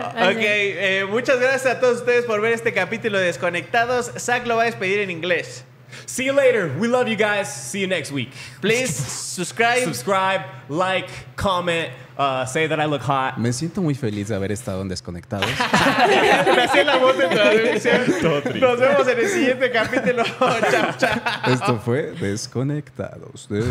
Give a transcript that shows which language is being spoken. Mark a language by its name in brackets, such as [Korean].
[Spanish] Ok, muchas gracias a todos ustedes por ver este capítulo de Desconectados. Zac lo va a despedir en inglés. [English] See you later. We love you guys. See you next week. Please subscribe. Subscribe, like, comment, say that I look hot. [Spanish] Me siento muy feliz de haber estado en Desconectados. Me hacía la voz de transmisión. Nos vemos en el siguiente capítulo. Chao. Esto fue Desconectados.